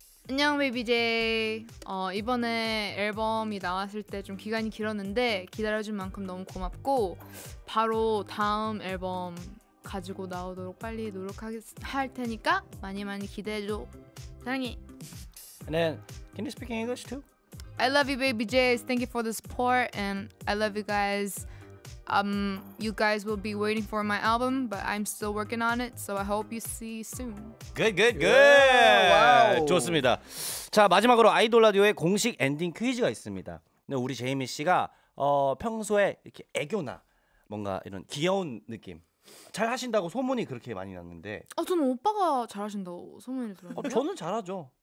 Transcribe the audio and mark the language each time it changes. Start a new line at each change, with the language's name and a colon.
Korean: 안녕 베이비 제이. 이번에 앨범이 나왔을 때 좀 기간이 길었는데 기다려준 만큼 너무 고맙고 바로 다음 앨범 가지고 나오도록 빨리 노력할 테니까 많이 많이 기대해줘. 사랑해.
English: And then, can you speak English too? I love you, Baby J's. Thank you for the support, and I love you guys. You guys will be waiting for my album, but I'm still working on it, so I hope you see you soon. Good, good, good. Yeah, wow.
Korean: 좋습니다. 자, 마지막으로 아이돌 라디오의 공식 엔딩 퀴즈가 있습니다. 우리 제이미 씨가 평소에 이렇게 애교나 뭔가 이런 귀여운 느낌 잘 하신다고 소문이 그렇게 많이 났는데. 저는 오빠가 잘 하신다고 소문이 들었는데. 저는 잘하죠.